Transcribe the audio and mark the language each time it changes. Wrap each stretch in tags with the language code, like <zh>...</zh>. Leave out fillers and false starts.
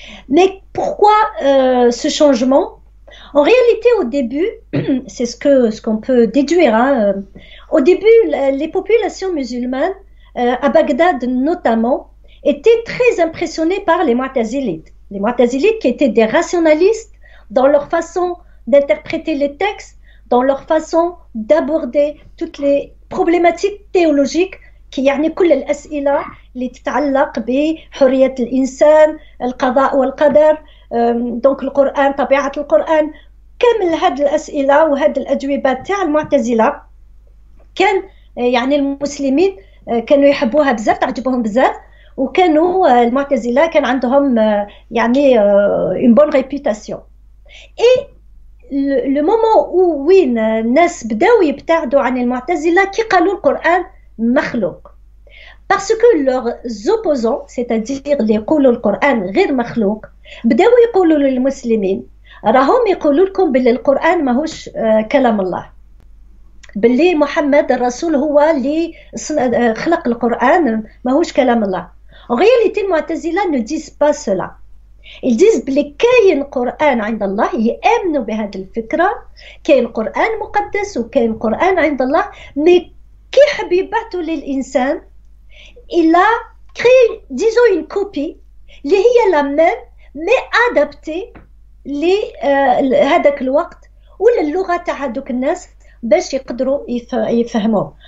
<fr>Mais pourquoi ce changement? En réalité, au début, c'est ce qu'on peut déduire, hein, au début, les populations musulmanes, à Bagdad notamment, étaient très impressionnées par les Mu'tazilites. Les Mu'tazilites qui étaient des rationalistes dans leur façon d'interpréter les textes, dans leur façon d'aborder toutes les problématiques théologiques.</fr> <ar>كي يعني كل الأسئلة اللي تتعلق بحرية الإنسان القضاء والقدر دونك القرآن طبيعة القرآن كامل هذه الأسئلة وهذه الأجوبة تاع المعتزلة كان يعني المسلمين كانوا يحبوها بزاف تعجبهم بزاف وكانوا المعتزلة كان عندهم يعني</ar> <fr>une bonne réputation et le moment où</fr> <ar>وين الناس بداوا يبتعدوا عن المعتزلة كي قالوا القرآن مخلوق</ar> <fr>Parce que leurs opposants, c'est-à-dire les</fr> <ar>قولوا القرآن غير مخلوق, بداوا يقولوا للمسلمين, راهم يقولوا لكم باللي القرآن ماهوش كلام الله. باللي محمد الرسول هو اللي خلق القرآن ماهوش كلام الله.</ar> <fr>En réalité, les Mu'tazila ne disent pas cela. Ils disent</fr> <ar>باللي كاين قرآن عند الله, يؤمنوا بهذه الفكرة, كاين قرآن مقدس وكاين قرآن عند الله, مي كي حب يبعثوا للإنسان,</ar> <fr>Il a créé, disons, une copie, qui est la même, mais adaptée à ce moment où la langue de ces gens pour qu'ils puissent comprendre.</fr>